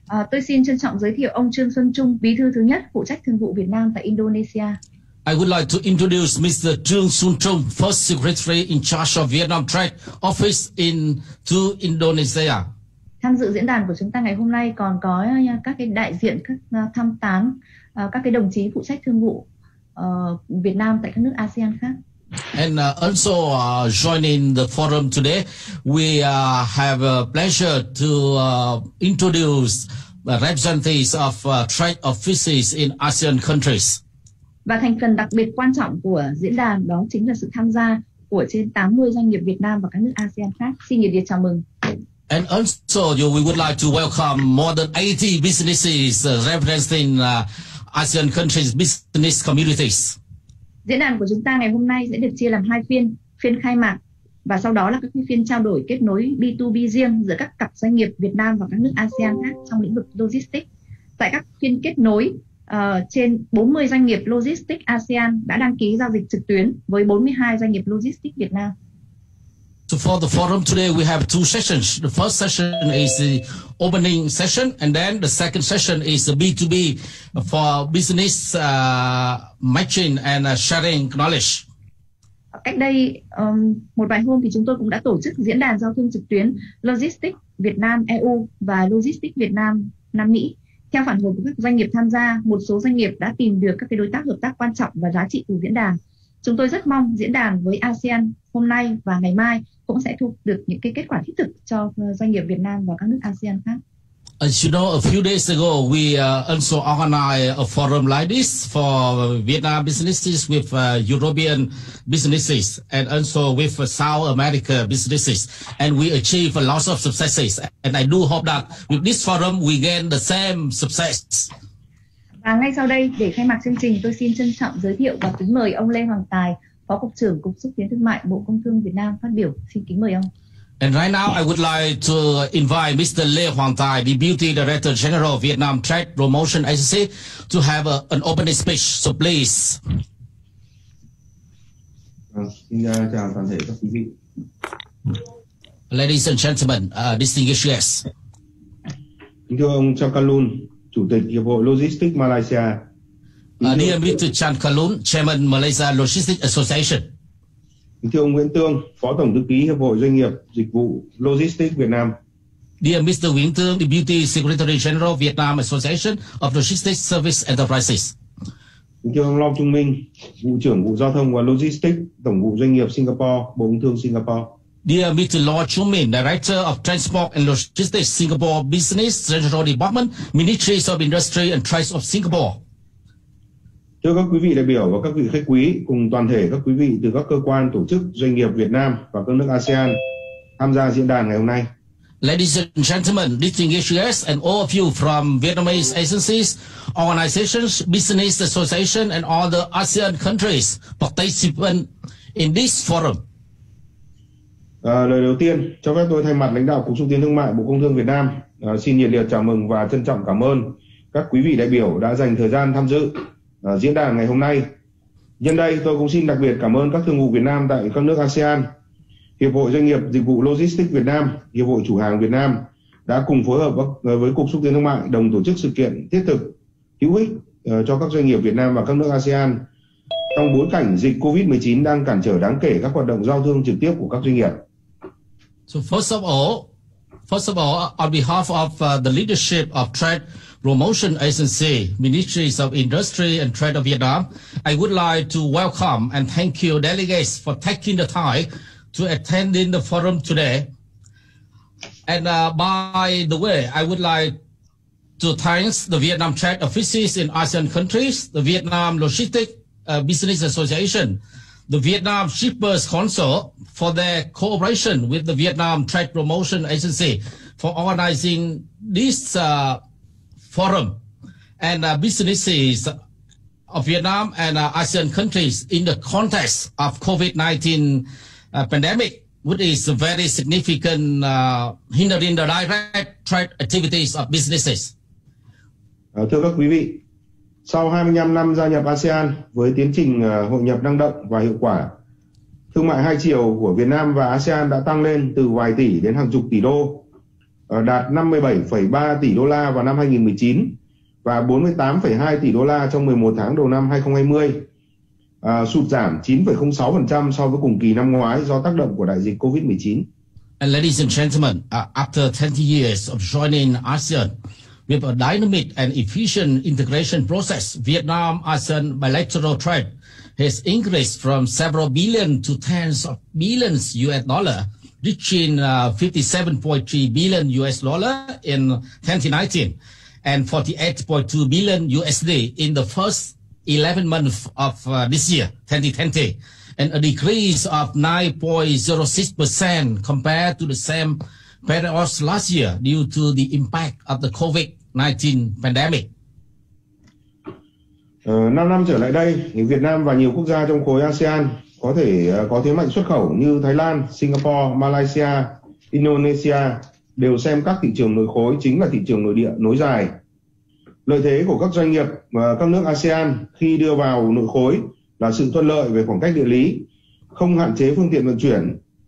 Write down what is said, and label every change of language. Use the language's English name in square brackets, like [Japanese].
[Vietnamese] Tôi xin trân trọng giới thiệu ông Trương Xuân Trung, Bí thư thứ nhất phụ trách thương vụ Việt Nam tại Indonesia. [English] I would like to introduce Mr. Trương Xuân Trung, First Secretary in charge of Vietnam Trade Office in to Indonesia. [Vietnamese] Tham dự diễn đàn của chúng ta ngày hôm nay còn có các cái đại diện, các tham tán, các cái đồng chí phụ trách thương vụ Việt Nam tại các nước ASEAN khác. [English] And also joining the forum today, we have a pleasure to introduce representatives of trade offices in ASEAN countries. [Vietnamese] Và thành phần đặc biệt quan trọng của diễn đàn đó chính là sự tham gia của trên 80 doanh nghiệp Việt Nam và các nước ASEAN khác. Xin nhiệt liệt chào mừng. [English] And also we would like to welcome more than 80 businesses representing ASEAN countries' business communities. [Vietnamese] Diễn đàn của chúng ta ngày hôm nay sẽ được chia làm hai phiên, phiên khai mạc và sau đó là các phiên trao đổi kết nối B2B riêng giữa các cặp doanh nghiệp Việt Nam và các nước ASEAN khác trong lĩnh vực logistics. Tại các phiên kết nối, trên 40 doanh nghiệp logistics ASEAN đã đăng ký giao dịch trực tuyến với 42 doanh nghiệp logistics Việt Nam. [English] So for the forum today, we have two sessions. The first session is the opening session, and then the second session is the B2B for business matching and sharing knowledge. [Vietnamese] Cách đây một vài hôm thì chúng tôi cũng đã tổ chức diễn đàn giao thương trực tuyến Logistics Việt Nam EU và Logistics Việt Nam Nam Mỹ. Theo phản hồi của các doanh nghiệp tham gia, một số doanh nghiệp đã tìm được các cái đối tác hợp tác quan trọng và giá trị từ diễn đàn. Chúng tôi rất mong diễn đàn với ASEAN hôm nay và ngày mai cũng sẽ thu được những cái kết quả thiết thực cho doanh nghiệp Việt Nam và các nước ASEAN khác. [English] As you know, a few days ago, we also organized a forum like this for Vietnam businesses with European businesses and also with South America businesses. And we achieved a lot of successes. And I do hope that with this forum, we gain the same success. [Vietnamese] À, ngay sau đây để khai mạc chương trình, tôi xin trân trọng giới thiệu và kính mời ông Lê Hoàng Tài, Phó Cục trưởng Cục Xúc tiến Thương mại Bộ Công Thương Việt Nam phát biểu. Xin kính mời ông. [English] And right now I would like to invite Mr. Lê Hoàng Tài, Deputy Director General Vietnam Trade Promotion Agency, to have an opening speech. So please. [Vietnamese] Xin chào toàn thể các quý vị. [English] Ladies and gentlemen, distinguished guests. [Vietnamese] Kính thưa ông Chang Kalun, Chủ tịch Hiệp hội Logistics Malaysia. [English] Dear Mr. Chang Kalun, Chairman Malaysia Logistics Association. [Vietnamese] Thưa ông Nguyễn Tương, Phó Tổng Thư ký Hiệp hội Doanh nghiệp Dịch vụ Logistics Việt Nam. [English] Dear Mr. Nguyễn Tương, Deputy Secretary General Vietnam Association of Logistics Service Enterprises. [Vietnamese] Thưa ông Long Trung Minh, Vụ trưởng Vụ Giao thông và Logistics, Tổng vụ Doanh nghiệp Singapore, Bộ Công Thương Singapore. [English] Dear Mr. Lo Chung Min, Director of Transport and Logistics Singapore Business Central Department, Ministry of Industry and Trade of Singapore. [Vietnamese] Thưa các quý vị đại biểu và các vị khách quý cùng toàn thể các quý vị từ các cơ quan, tổ chức, doanh nghiệp Việt Nam và các nước ASEAN tham gia diễn đàn ngày hôm nay. [English] Ladies and gentlemen, distinguished guests, and all of you from Vietnamese agencies, organizations, business associations, and all the ASEAN countries participant in this forum. [Vietnamese] Lời đầu tiên, cho phép tôi thay mặt lãnh đạo Cục Xúc tiến Thương mại Bộ Công Thương Việt Nam xin nhiệt liệt chào mừng và trân trọng cảm ơn các quý vị đại biểu đã dành thời gian tham dự diễn đàn ngày hôm nay. Nhân đây, tôi cũng xin đặc biệt cảm ơn các thương vụ Việt Nam tại các nước ASEAN, Hiệp hội Doanh nghiệp Dịch vụ Logistics Việt Nam, Hiệp hội Chủ hàng Việt Nam đã cùng phối hợp với Cục Xúc tiến Thương mại đồng tổ chức sự kiện thiết thực, hữu ích cho các doanh nghiệp Việt Nam và các nước ASEAN trong bối cảnh dịch COVID-19 đang cản trở đáng kể các hoạt động giao thương trực tiếp của các doanh nghiệp. [English] So first of all, on behalf of the leadership of Trade Promotion Agency, Ministry of Industry and Trade of Vietnam, I would like to welcome and thank you delegates for taking the time to attend in the forum today. And by the way, I would like to thank the Vietnam Trade Offices in ASEAN countries, the Vietnam Logistics Business Association, the Vietnam Shippers Council for their cooperation with the Vietnam Trade Promotion Agency for organizing this forum and businesses of Vietnam and ASEAN countries in the context of COVID-19 pandemic, which is a very significant hindering the direct trade activities of businesses. [Vietnamese] Thưa các quý vị, sau 25 năm gia nhập ASEAN với tiến trình hội nhập năng động và hiệu quả, thương mại hai chiều của Việt Nam và ASEAN đã tăng lên từ vài tỷ đến hàng chục tỷ đô, đạt 57,3 tỷ đô la vào năm 2019 và 48,2 tỷ đô la trong 11 tháng đầu năm 2020, sụt giảm 9,06% so với cùng kỳ năm ngoái do tác động của đại dịch COVID-19. [English] And ladies and gentlemen, after 20 years of joining ASEAN, with a dynamic and efficient integration process, Vietnam-ASEAN bilateral trade has increased from several billion to tens of billions US dollar, reaching 57.3 billion US dollar in 2019 and 48.2 billion USD in the first 11 months of this year, 2020, and a decrease of 9.06% compared to the same period last year due to the impact of the COVID-19 pandemic. [Vietnamese] 5 năm trở lại đây, Việt Nam và nhiều quốc gia trong khối ASEAN có thể có thế mạnh xuất khẩu như Thái Lan, Singapore, Malaysia, Indonesia đều xem các thị trường nội khối chính là thị trường nội địa nối dài. Lợi thế của các doanh nghiệp và các nước ASEAN khi đưa vào nội khối là sự thuận lợi về khoảng cách địa lý, không hạn chế phương tiện vận chuyển.